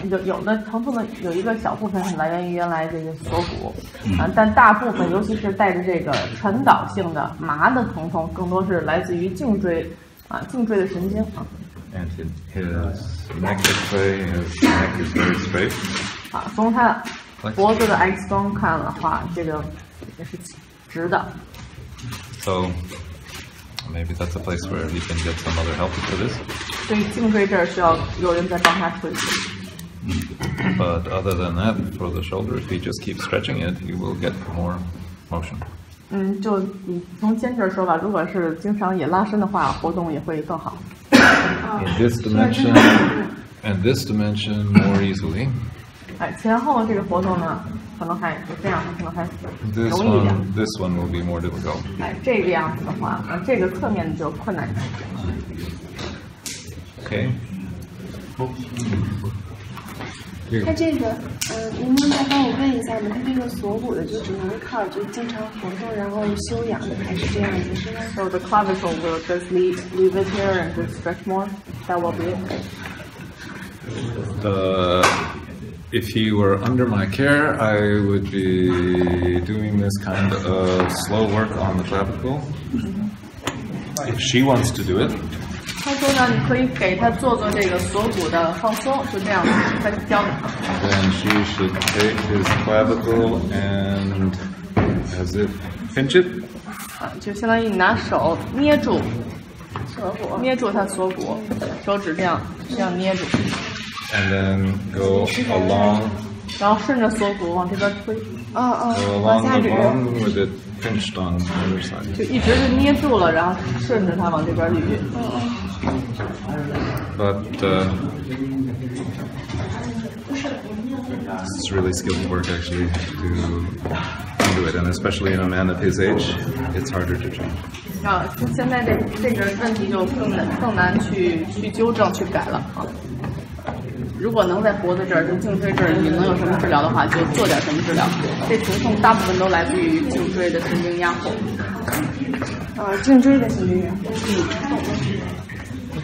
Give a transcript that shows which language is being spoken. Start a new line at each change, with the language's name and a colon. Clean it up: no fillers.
Chinese: 有的疼痛的有一个小部分是来源于原来这个锁骨，但大部分，尤其是带着这个传导性的麻的疼痛，更多是来自于颈椎，颈椎的神经。
English: And his neck is very, straight.
Chinese: 从他脖子的 X 光看的话，这个也是直的。
English: So. Maybe that's a place where we can get some other help for this.
Chinese: 对颈椎这儿需要有人在帮他推。
English: But other than that, for the shoulder, if he just keeps stretching it, he will get more motion.
Chinese: 就从肩这儿说吧，如果是经常也拉伸的话，活动也会更好。
English: In this dimension, more easily.
Chinese: 前后这个活动呢，可能还就这样，可能还容易一点。
English: This one will be more difficult.
Chinese: 这个样子的话，这个侧面就困难一点。
English: Okay.
Chinese: 他这个，您能再帮我问一下吗？他这个锁骨的就只能靠就经常活动，然后休养的，还是这样子？
English: So the clavicle will just leave it here and just stretch more. That will be it. If he were under my care, I would be doing this kind of slow work on the clavicle. If she wants to do it.
Chinese: 他说呢，你可以给他做做这个锁骨的放松，就这样，他教的。
English: Then she should take his clavicle and as if pinch it.
Chinese: 就相当于你拿手捏住锁骨，捏住他锁骨，手指这样捏住。
English: And then go along.
Chinese: 然后顺着锁骨往这边推。哦哦。
English: Go along the bone with it pinched on the other side.
Chinese: 就一直是捋住了，然后顺着它往这边捋。哦哦。
English: But it's really skilled work actually to do it, and especially in a man of his age, it's harder to change.
Chinese: 现在这个问题就更难去纠正去改了啊。如果能在脖子这儿，就颈椎这儿，你能有什么治疗的话，就做点什么治疗。这疼痛大部分都来自于颈椎的神经压迫。颈椎的神经压迫。